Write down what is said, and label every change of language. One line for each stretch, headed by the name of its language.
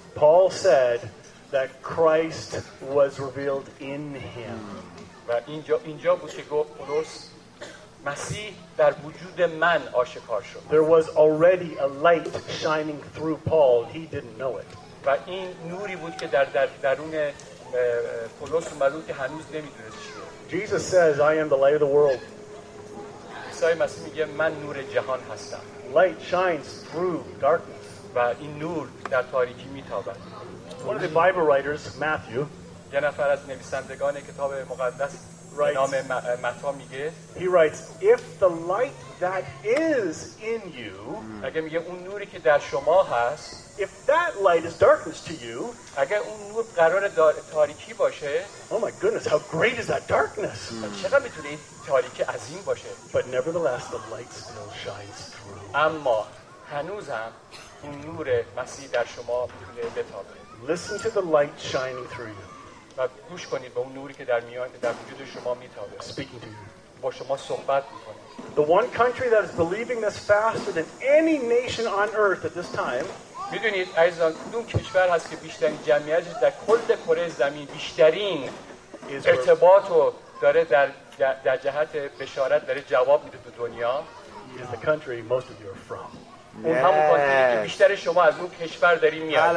English: Paul said that Christ was revealed in him.
Persian: و اینجا بود که گفت پولس مسیح در وجود من آشکار شد.
English: There was already a light shining through Paul. He didn't know it.
Persian: و این نوری بود که در درون پولس اومد که هنوز نمی‌دونست چیه.
English: Jesus says I am the light of the world.
Persian: عیسی مسیح میگه من نور جهان هستم.
English: Light shines through darkness.
Persian: و این نور در تاریکی میتابد.
English: One of the Bible writers, Matthew,
Persian: یه نفر از نویسندگان کتاب مقدس به نام متا میگه,
English: he writes, if the light that is in you,
Persian: اگه میگه اون نوری که در شما هست,
English: if that light is darkness to you,
Persian: اگه اون نور قرار تاریکی باشه,
English: oh my goodness, how great is that darkness?
Persian: چقدر میتونه این تاریکی عظیم باشه.
English: But nevertheless, the light still shines through.
Persian: اما هنوز هم اون نور مسیح در شما میتونه بتابه.
English: Listen to the light shining through you.
Persian: و گوش کنید به اون نوری که در میان در وجود شما میتابه.
English: Speaking to you.
Persian: با شما صحبت میکنه.
English: The one country that is believing this faster than any nation on earth at this time.
Persian: میدونید عزیزان کدوم کشور هست که بیشترین جمعیتش در کل کره زمین بیشترین ارتباط رو داره در جهت بشارت داره جواب میده به دنیا؟
English: Is the country most of you are from.
Persian: اون همون کانتینی که بیشتر شما از اون کشور داریم میاد.